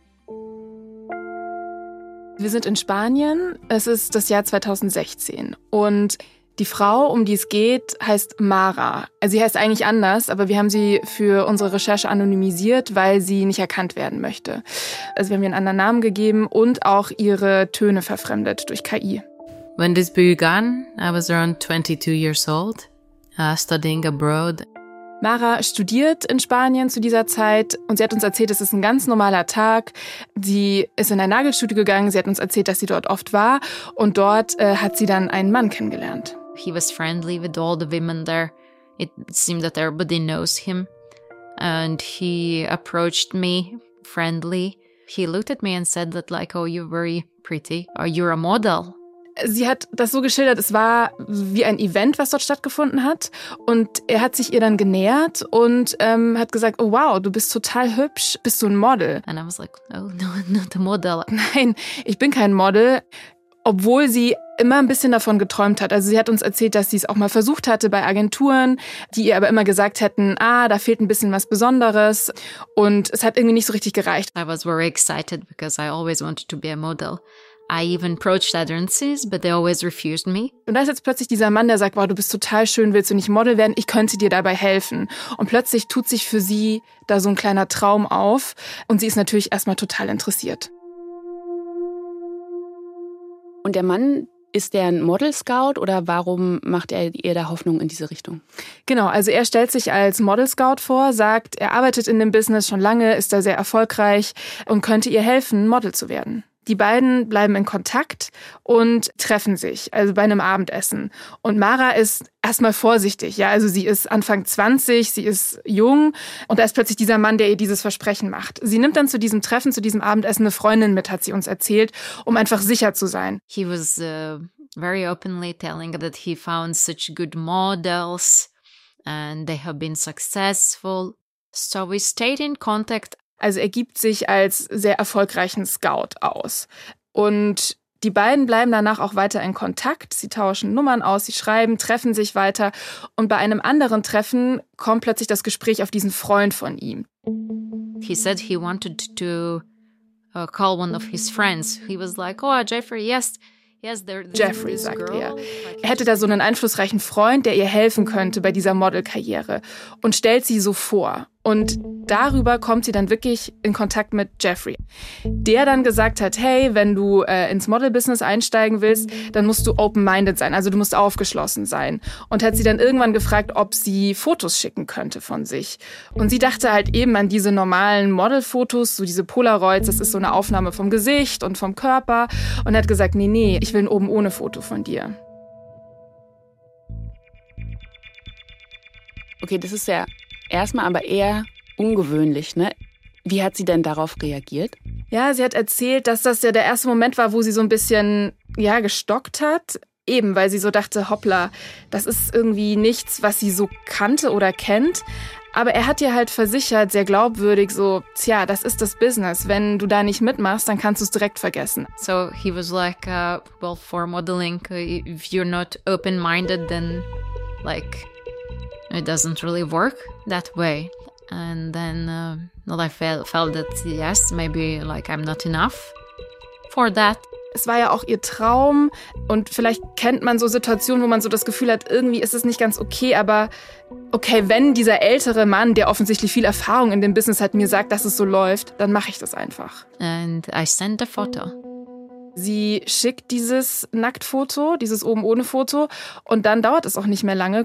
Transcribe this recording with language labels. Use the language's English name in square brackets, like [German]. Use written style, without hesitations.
[German] Wir sind in Spanien, es ist das Jahr 2016 und die Frau, um die es geht, heißt Mara. Sie heißt eigentlich anders, aber wir haben sie für unsere Recherche anonymisiert, weil sie nicht erkannt werden möchte. Also wir haben ihr einen anderen Namen gegeben und auch ihre Töne verfremdet durch KI. [English] When this began, I was around 22 years old, studying abroad. [German] Mara studiert in Spanien zu dieser Zeit und sie hat uns erzählt, es ist ein ganz normaler Tag. Sie ist in ein Nagelstudio gegangen, sie hat uns erzählt, dass sie dort oft war und dort hat sie dann einen Mann kennengelernt. [English] He was friendly with all the women there. It seemed that everybody knows him and he approached me friendly. He looked at me and said that like, oh, you're very pretty or you're a model. [German] Sie hat das so geschildert, es war wie ein Event, was dort stattgefunden hat. Und er hat sich ihr dann genähert und hat gesagt, oh wow, du bist total hübsch, bist du ein Model? [English] And I was like, oh, no, not a model. [German] Nein, ich bin kein Model, obwohl sie immer ein bisschen davon geträumt hat. Also sie hat uns erzählt, dass sie es auch mal versucht hatte bei Agenturen, die ihr aber immer gesagt hätten, ah, da fehlt ein bisschen was Besonderes. Und es hat irgendwie nicht so richtig gereicht. [English] I was very excited because I always wanted to be a model. I even approached agencies, but they always refused me. [German] Und da ist jetzt plötzlich dieser Mann, der sagt, wow, du bist total schön, willst du nicht Model werden? Ich könnte dir dabei helfen. Und plötzlich tut sich für sie da so ein kleiner Traum auf und sie ist natürlich erstmal total interessiert. Und der Mann, ist der ein Model-Scout oder warum macht er ihr da Hoffnung in diese Richtung? Genau, also er stellt sich als Model-Scout vor, sagt, er arbeitet in dem Business schon lange, ist da sehr erfolgreich und könnte ihr helfen, Model zu werden. Die beiden bleiben in Kontakt und treffen sich, also bei einem Abendessen. Und Mara ist erstmal vorsichtig, ja, also sie ist Anfang 20, sie ist jung und da ist plötzlich dieser Mann, der ihr dieses Versprechen macht. Sie nimmt dann zu diesem Treffen, zu diesem Abendessen eine Freundin mit, hat sie uns erzählt, um einfach sicher zu sein. [English] He was very openly telling that he found such good models and they have been successful. So we stayed in contact. [German] Also er gibt sich als sehr erfolgreichen Scout aus. Und die beiden bleiben danach auch weiter in Kontakt. Sie tauschen Nummern aus, sie schreiben, treffen sich weiter. Und bei einem anderen Treffen kommt plötzlich das Gespräch auf diesen Freund von ihm. [English] He said he wanted to call one of his friends. He was like, oh, Jeffrey, yes. [German] Jeffrey, sagt er. Er hätte da so einen einflussreichen Freund, der ihr helfen könnte bei dieser Modelkarriere und stellt sie so vor. Und darüber kommt sie dann wirklich in Kontakt mit Jeffrey, der dann gesagt hat, hey, wenn du ins Model-Business einsteigen willst, dann musst du open-minded sein, also du musst aufgeschlossen sein. Und hat sie dann irgendwann gefragt, ob sie Fotos schicken könnte von sich. Und sie dachte halt eben an diese normalen Model-Fotos, so diese Polaroids, das ist so eine Aufnahme vom Gesicht und vom Körper. Und hat gesagt, nee, nee, ich will ein Oben-ohne-Foto von dir. Okay, das ist ja erstmal aber eher ungewöhnlich, ne? Wie hat sie denn darauf reagiert? Ja, sie hat erzählt, dass das ja der erste Moment war, wo sie so ein bisschen, ja, gestockt hat. Eben, weil sie so dachte, hoppla, das ist irgendwie nichts, was sie so kannte oder kennt. Aber er hat ihr halt versichert, sehr glaubwürdig, so, tja, das ist das Business. Wenn du da nicht mitmachst, dann kannst du es direkt vergessen. [English] So he was like, well, for modeling, if you're not open-minded, then like... It doesn't really work that way. And then I felt that, yes, maybe like I'm not enough for that. [German] Es war ja auch ihr Traum. Und vielleicht kennt man so Situationen, wo man so das Gefühl hat, irgendwie ist es nicht ganz okay. Aber okay, wenn dieser ältere Mann, der offensichtlich viel Erfahrung in dem Business hat, mir sagt, dass es so läuft, dann mache ich das einfach. [English] And I sent a photo. [German] Sie schickt dieses Nacktfoto, dieses Oben-ohne-Foto, und dann dauert es auch nicht mehr lange.